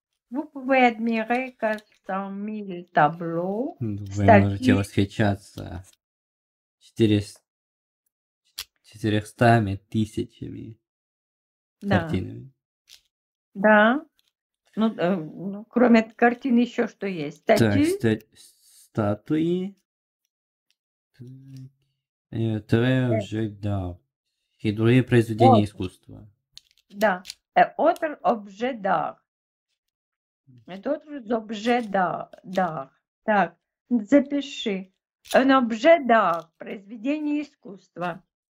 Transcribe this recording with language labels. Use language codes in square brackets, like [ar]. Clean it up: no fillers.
[fr] Vous pouvez admirer 400 000 tableaux. [ru] Вы можете восхищаться 400 000 картинами. Да, ну, кроме картин еще что есть? Статуи? Так, статуи. И другие произведения искусства. Да. [fr] Autre objet d'art. Autre objet d'art. [ru] Так, запиши. [fr] Un objet d'art, [ru] произведение искусства.